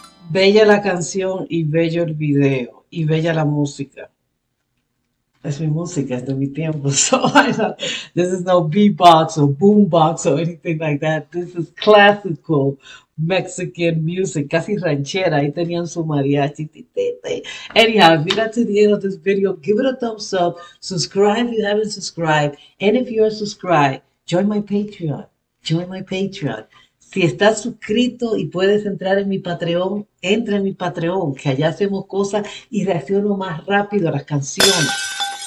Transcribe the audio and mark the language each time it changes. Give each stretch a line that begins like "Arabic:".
Spanish: Bella la canción y bello el video y bella la música. Es mi música, es de mi tiempo.
English: So this is no beatbox or boombox or anything like that. This is classical Mexican music,
Spanish: casi ranchera. Ahí tenían su mariachi.
English: Anyhow, if you got to the end of this video, give it a thumbs up. Subscribe if you haven't subscribed. And if you are subscribed, join my Patreon. Join my Patreon.
Spanish: Si estás suscrito y puedes entrar en mi Patreon, entra en mi Patreon, que allá hacemos cosas y reacciono más rápido a las canciones.